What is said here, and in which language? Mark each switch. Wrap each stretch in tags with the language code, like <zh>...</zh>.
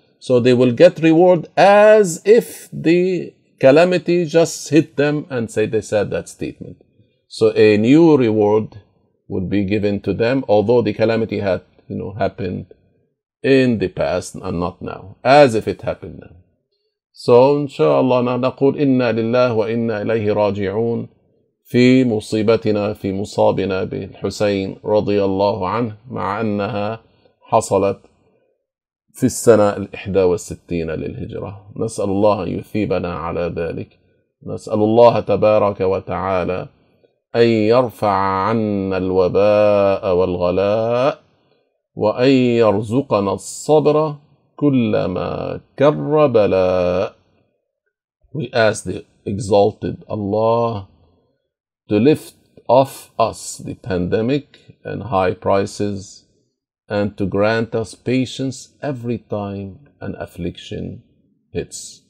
<en>So they will get reward as if the calamity just hit them and say they said that statement. So a new reward would be given to them, although the calamity had, you know, happened in the past and not now, as if it happened now.</en> <ar>So inshallah naqul inna lillahi wa inna ilayhi raji'un. في مصيبتنا في مصابنا بالحسين رضي الله عنه مع أنها حصلت في السنة 61 للهجرة. نسأل الله أن يثيبنا على ذلك، نسأل الله تبارك وتعالى أن يرفع عنا الوباء والغلاء، وأن يرزقنا الصبر كلما كر بلاء.</ar> <en>We ask the exalted Allah to lift off us the pandemic and high prices, and to grant us patience every time an affliction hits.</en>